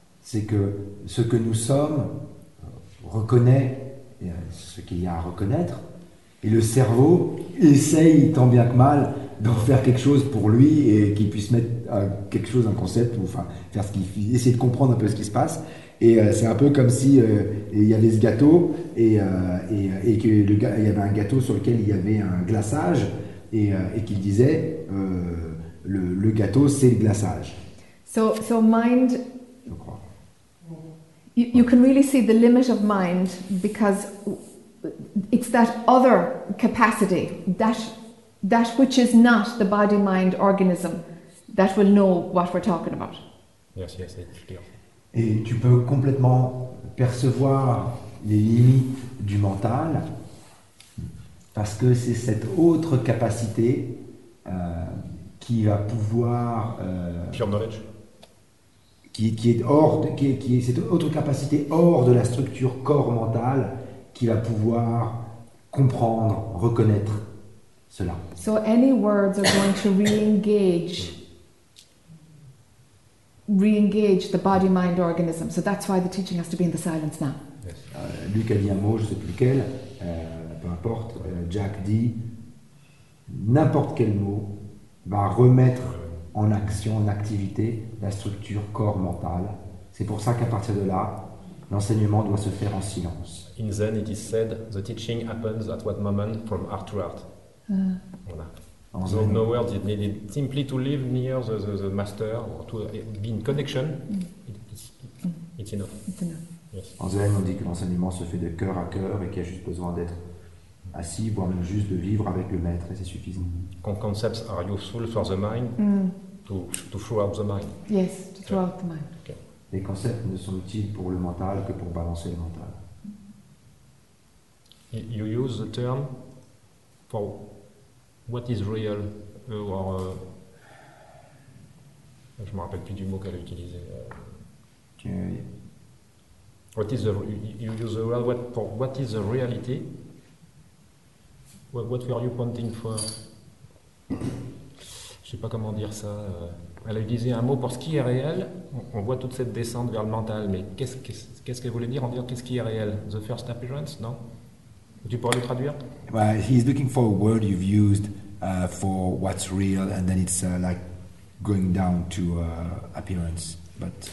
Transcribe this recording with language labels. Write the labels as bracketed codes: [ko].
[fr] c'est que ce que nous sommes reconnaît ce qu'il y a à reconnaître, et le cerveau essaye tant bien que mal d'en faire quelque chose pour lui et qu'il puisse mettre quelque chose, un concept, ou enfin faire ce qu'il fait, essayer de comprendre un peu ce qui se passe. Et c'est un peu comme si il y avait ce gâteau et que il y avait un gâteau sur lequel il y avait un glaçage et qu'il disait le gâteau c'est le glaçage. [en] So mind. You can really see the limit of mind, because it's that other capacity, that which is not the body-mind organism, that will know what we're talking about. Yes, it's clear. [fr] Et tu peux complètement percevoir les limites du mental, parce que c'est cette autre capacité qui va pouvoir... [en] pure knowledge. [fr] Qui est cette autre capacité hors de la structure corps mental qui va pouvoir comprendre, reconnaître cela. [en] So any words are going to re-engage the body mind organism. So that's why the teaching has to be in the silence now. Yes. [fr] Luc a dit un mot, je ne sais plus lequel, peu importe. Jack dit n'importe quel mot va remettre en action, en activité, la structure corps-mental. C'est pour ça qu'à partir de là, l'enseignement doit se faire en silence. [en] In Zen, it is said, the teaching happens at what moment, from heart to heart. [fr] Voilà. [en] And so, in other words, it needed simply to live near the master or to be in connection. It's enough. [fr] En Zen, on dit que l'enseignement se fait de cœur à cœur et qu'il y a juste besoin d'être assis, voire même juste de vivre avec le maître, et c'est suffisant. [en] Concepts are useful for the mind, to throughout the mind. Yes, to throughout the mind. Okay. [fr] Les concepts ne sont utiles pour le mental que pour balancer le mental. [en] You use the term for what is real, or... [fr] je ne me rappelle plus du mot qu'elle a utilisé. [en] What is the what is the reality? What were you pointing for? [fr] Je sais pas comment dire ça. Elle a utilisé un mot pour ce qui est réel. On voit toute cette descente vers le mental, mais qu'est-ce qu'elle voulait dire en disant qu'est-ce qui est réel? [en] The first appearance, [fr] non? Tu pourrais le traduire? [en] Well, he's looking for a word you've used for what's real, and then it's like going down to appearance, but.